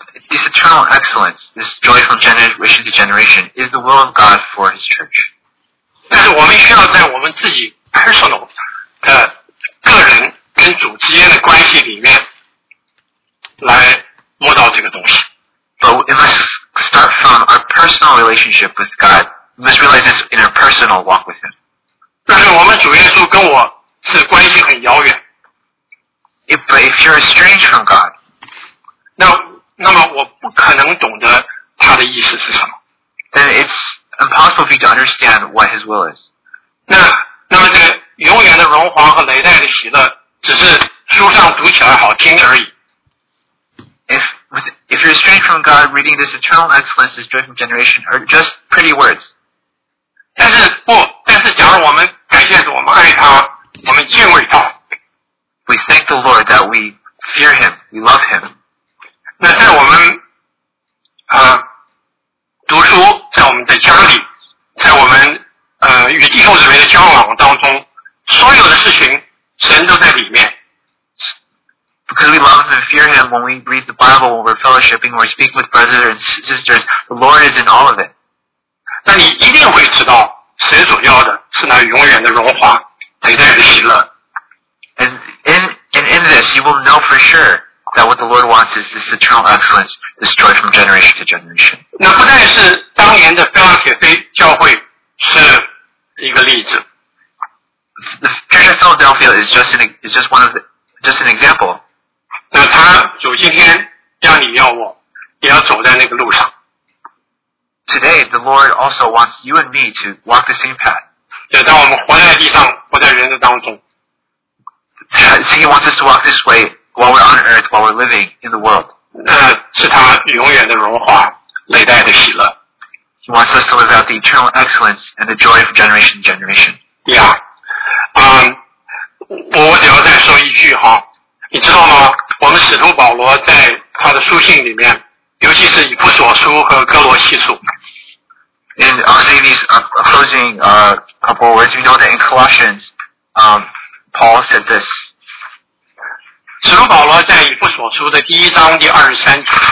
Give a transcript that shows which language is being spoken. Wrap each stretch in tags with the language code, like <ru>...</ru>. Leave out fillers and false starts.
<en>This eternal excellence, this joy from generation to generation, is the will of God for His church.</en> <zh>但是我们需要在我们自己 personal 的个人跟主之间的关系里面来摸到这个东西。</zh> <en>But we must start from our personal relationship with God. We must realize this in our personal walk with Him.</en> <zh>但是我们主耶稣跟我是关系很遥远。</zh> <en>But if you're estranged from God,</en> <zh>那么我不可能懂得他的意思是什么。</zh> <en>Then it's impossible for you to understand what his will is.</en> <zh>那么这个永远的荣华和累代的喜乐只是书上读起来好听而已。</zh> <en>If you're estranged from God, reading this eternal excellence, this joy from generation, are just pretty words.</en> <zh>但是假如我们感谢主，我们爱他，我们敬畏他。</zh> <en>We thank the Lord that we fear him, we love him.</en> <zh>那在我们读书，在我们的家里，在我们与弟兄姊妹的交往当中，所有的事情神都在里面。</zh> <en>Because we love and fear him, when we read the Bible, when we're fellowshipping, when we speak with brothers and sisters, the Lord is in all of it.</en> <zh>那你一定会知道，神所要的是那永远的荣华，永远的喜乐。</zh> <en>And in this, you will know for sure. That what the Lord wants is this eternal excellence, this joy from generation to generation.</en> <zh>那不但是当年的菲拉铁菲教会是一个例子。</zh> <en>The Church of Philadelphia is just an example.</en> <zh>那他主今天要你要我也要走在那个路上。</zh> <en>Today, the Lord also wants you and me to walk the same path.</en> <zh>就当我们活在地上，活在人的当中。</zh> <en>So he wants us to walk this way. While we're on earth, while we're living in the world.</en> <zh>是他永远的荣华，累代的喜乐。</zh> <en>He wants us to live out the eternal excellence and the joy of generation to generation. Yeah.</en> <zh>我只要再说一句哈，你知道吗？我们使徒保罗在他的书信里面，尤其是以弗所书和哥罗西书。</zh> <en>And I'll say these closing couple words. You know that in Colossians, Paul said this.</en> <zh>使徒保罗在以弗所书的第一章第二十三节。</zh>